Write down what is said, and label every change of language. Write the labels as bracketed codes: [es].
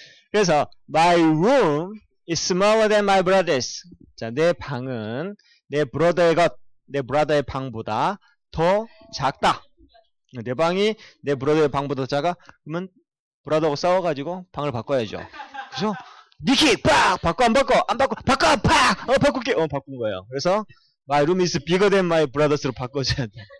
[ko] 그래서, [en] My room is smaller than my brother's. [ko] 자, 내 방은 내 브라더의 것, 내 브라더의 방보다 더 작다. 내 방이 내 브라더의 방보다 작아? 그러면 브라더하고 싸워가지고 방을 바꿔야죠. 그죠? 니키! 빡! 바꿔, 안 바꿔? 안 바꿔? 바꿔! 팍! 어, 바꿀게! 어, 바꾼 거예요. 그래서, [en] My room is bigger than my brother's로 [ko] 바꿔줘야 돼.